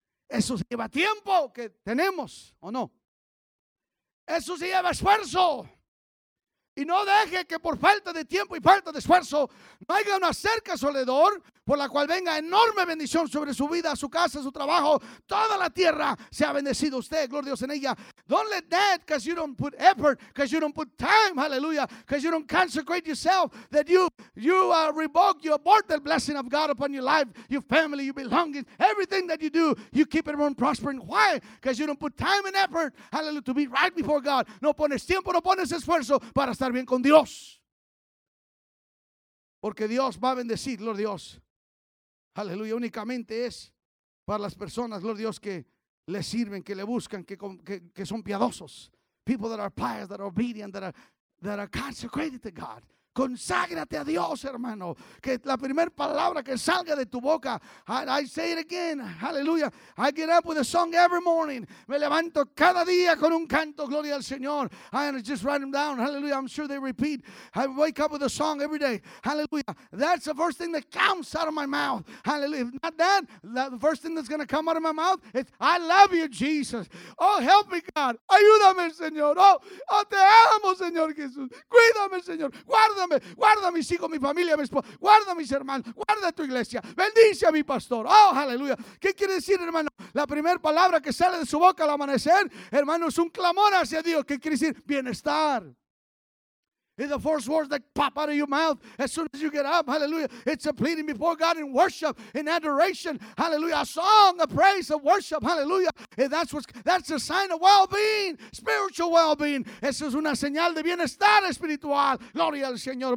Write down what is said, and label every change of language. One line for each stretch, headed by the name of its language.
Spanish: Eso lleva tiempo que tenemos, ¿o no? Eso se lleva esfuerzo. Y no deje que por falta de tiempo y falta de esfuerzo no haya una cerca a su alrededor por la cual venga enorme bendición sobre su vida, su casa, su trabajo. Toda la tierra sea bendecido usted, gloria a Dios en ella.
English: Don't let that, because you don't put effort, because you don't put time, hallelujah, because you don't consecrate yourself, that you revoke, you abort the blessing of God upon your life, your family, your belongings, everything that you do, you keep it from prospering. Why? Because you don't put time and effort, hallelujah, to be right before God.
Spanish: No pones tiempo, no pones esfuerzo para estar bien con Dios. Porque Dios va a bendecir, Lord Dios. Aleluya. Únicamente es para las personas, Lord Dios, que le sirven, que le buscan, que son piadosos.
English: People that are pious, that are obedient, that are consecrated to God.
Spanish: Conságrate a Dios, hermano. Que la primera palabra que salga de tu boca,
English: I say it again,
Spanish: hallelujah.
English: I get up with a song every morning.
Spanish: Me levanto cada día con un canto, gloria al Señor.
English: I just write them down, hallelujah. I'm sure they repeat. I wake up with a song every day, hallelujah. That's the first thing that comes out of my mouth, hallelujah. If not that, the first thing that's going to come out of my mouth is, I love you, Jesus. Oh, help me, God.
Spanish: Ayúdame, Señor. Oh, te amo, Señor Jesús. Cuídame, Señor. Guarda a mis hijos, mi familia, mi esposa. Guarda a mis hermanos. Guarda tu iglesia. Bendice a mi pastor. Oh, aleluya. ¿Qué quiere decir, hermano? La primera palabra que sale de su boca al amanecer, hermano, es un clamor hacia Dios. ¿Qué quiere decir? Bienestar.
English: It's the first words that pop out of your mouth as soon as you get up. Hallelujah. It's a pleading before God in worship, in adoration. Hallelujah. A song, a praise, a worship. Hallelujah. And that's a sign of well-being, spiritual well-being.
Spanish: Eso es una señal de bienestar espiritual. Gloria al Señor.